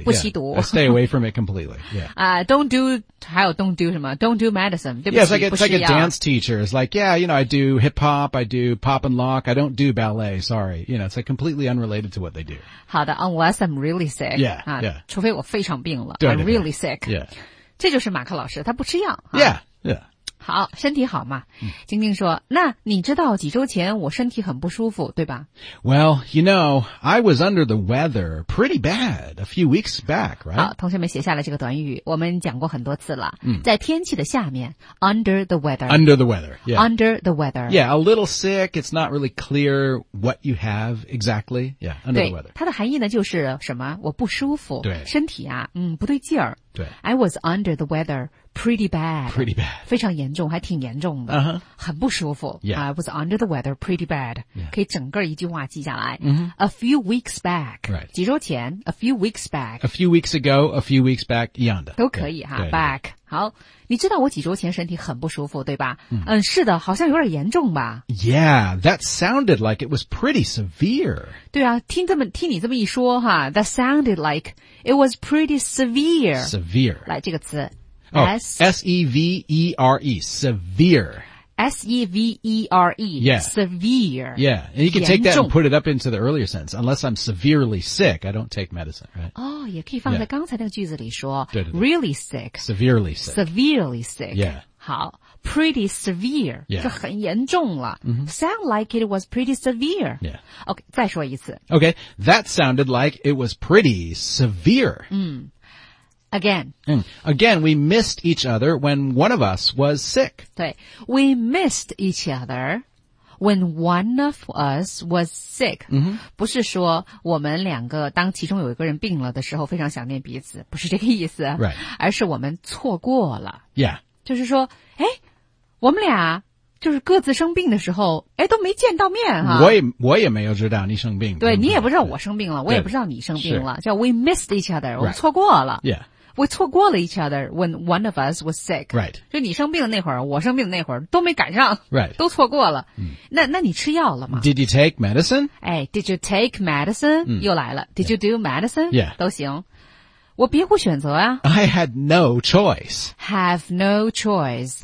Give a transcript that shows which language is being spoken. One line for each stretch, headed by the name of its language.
Chinese: 对不起不吸毒。
English: Yeah. I stay away from it completely. Yeah. Don't do... 还有 don't do 什么 don't do medicine 对不起 yeah, it's like a dance teacher it's like yeah you know I do hip hop I do pop and lock I don't do ballet sorry you know it's like completely unrelated to what they do 好的 unless I'm really sick yeah,、yeah.
Chinese: 除非我非常病了对对对
English: I'm really sick yeah
Chinese: 这就是马克老师他不吃药
English: yeah yeah
Chinese: 好身体好嘛、晶晶说那你知道几周前我身体很不舒服对吧
English: well you know I was under the weather pretty bad a few weeks back right
Chinese: 好同学们写下了这个短语我们讲过很多次了、嗯、在天气的下面
English: under the weather under the weather、yeah. under the weather yeah a little sick it's not really clear what you have exactly yeah under the weather
Chinese: 它的含义呢就是什么我不舒服对身体啊不对劲儿
English: I was under the weather pretty bad. Pretty bad.
Chinese: 非常严重，还挺严重的。 Uh-huh. 很不舒服。
English: Yeah. I was under the weather pretty bad. Yeah.
Chinese: 可以整个一句话记下来。 Mm-hmm.
English: A few weeks back. Right.
Chinese: 几周前 ,
English: a few weeks back. A few weeks ago, a few weeks back,
Chinese: 一样的。都可以哈 ,back. 好，你知道我几周前身体很不舒服对吧？ Mm. 嗯，是的，好像有点严重吧。
English: Yeah, that sounded like it was pretty severe.
Chinese: 对啊，听你这么一说哈
English: ,that sounded like it was pretty severe. Severe.
Chinese: 来这个词。
English: Oh, S-E-V-E-R-E, severe. S-E-V-E-R-E, yeah. Severe. Yeah, and you can take that and put it up into the earlier sentence. Unless I'm severely sick, I don't take medicine, right?
Chinese: Oh, 也可以放在刚才那个句子里说对对对
English: really sick. Severely sick. Severely sick. Yeah. 好 pretty severe,
Chinese: 这、 yeah. 很严重了、 mm-hmm.
English: Sound like it was pretty severe. Yeah.
Chinese: Okay, 再说一次
English: Okay, that sounded like it was pretty severe. 嗯、mm. Again. Again, we missed each other when one of us was sick. 对 We missed each other when one of us was sick.、 Mm-hmm.
Chinese: 不是说我们两个当其中有一个人病了的时候非常想念彼此不是这个意思
English: Right.
Chinese: 而是我们错过了
English: Yeah.
Chinese: 就是说诶我们俩就是各自生病的时候诶都没见到面哈。我也没有知道你生病。对你也不知道我生病了我也不知道你生病了。
English: 叫 we missed each other,、 right.
Chinese: 我们错过了。
English: Yeah. We
Chinese: 错过了
English: each other when one of us was sick. Right.
Chinese: 就你生病的那会儿我生病的那会儿都没赶上。
English: Right.
Chinese: 都错过了。 Mm. 那你吃药了吗
English: ?Did you take medicine? 诶 ,did you take medicine?、 Mm.
Chinese: 又来了。
English: Did、yeah. you do medicine? Yeah.
Chinese: 都行。我别无选择啊
English: I had no choice. Have no choice.、